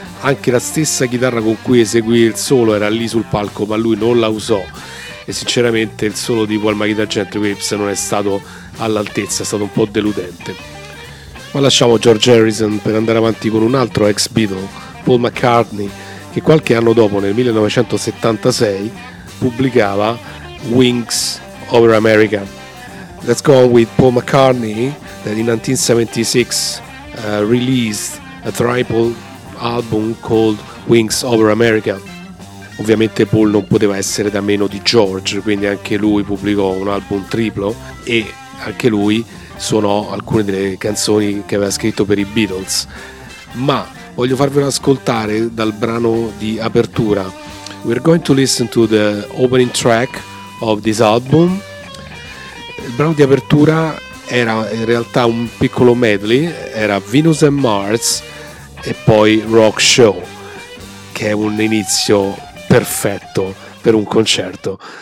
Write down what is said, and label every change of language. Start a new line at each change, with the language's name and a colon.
Italian: Anche la stessa chitarra con cui eseguì il solo era lì sul palco, ma lui non la usò, e sinceramente il solo di While My Guitar Gently Weeps non è stato all'altezza, è stato un po' deludente. Ma lasciamo George Harrison per andare avanti con un altro ex Beatle, Paul McCartney, che qualche anno dopo, nel 1976, pubblicava Wings Over America.
English: Let's go on with Paul McCartney, that in 1976 released a triple album called Wings Over America.
Italian: Ovviamente Paul non poteva essere da meno di George, quindi anche lui pubblicò un album triplo e anche lui suonò alcune delle canzoni che aveva scritto per i Beatles. Ma voglio farvelo ascoltare dal brano di apertura.
English: We're going to listen to the opening track of this album.
Italian: Il brano di apertura era in realtà un piccolo medley, era Venus and Mars e poi Rock Show, che è un inizio perfetto per un concerto.